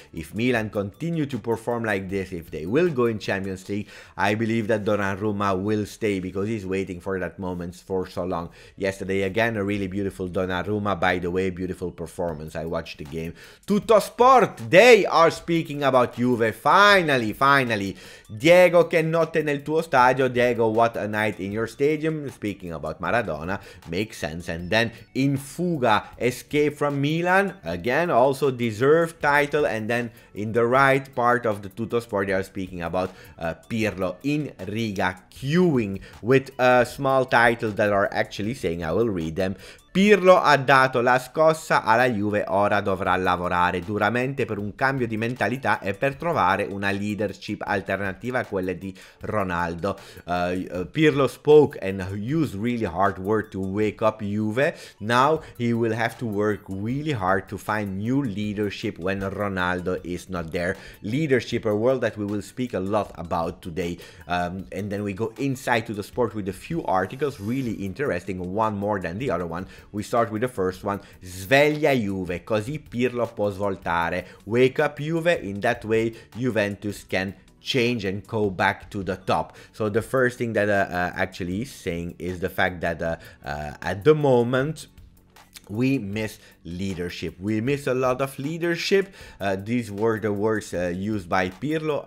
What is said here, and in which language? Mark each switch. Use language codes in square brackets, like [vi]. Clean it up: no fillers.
[en] If Milan continue to perform like this, if they will go in Champions League, I believe that Donnarumma will stay, because he's waiting for that moment for so long. Yesterday again, a really beautiful Donnarumma, by the way, beautiful performance. I watched the game. Sport, they are speaking about Juve. Finally, [it] Diego, che notte nel tuo stadio. [en] Diego, what a night in your stadium. Speaking about Maradona, makes sense. And then [it] in fuga, [en] escape from Milan, again, also deserved title. And then in the right part of the Tutto Sport, they are speaking about Pirlo in Riga, queuing with a small title that are actually saying, I will read them. [it] Pirlo ha dato la scossa alla Juve, ora dovrà lavorare duramente per un cambio di mentalità e per trovare una leadership alternativa a quelle di Ronaldo. [en] Pirlo spoke and used really hard word to wake up Juve. Now he will have to work really hard to find new leadership when Ronaldo is not there. Leadership, a world that we will speak a lot about today. And then we go inside to the sport with a few articles, really interesting, one more than the other one. We start with the first one. [it] Sveglia Juve, così Pirlo può svoltare. [en] Wake up Juve, in that way Juventus can change and go back to the top. So the first thing that actually he's saying is the fact that at the moment we miss leadership. We miss a lot of leadership. These were the words used by Pirlo.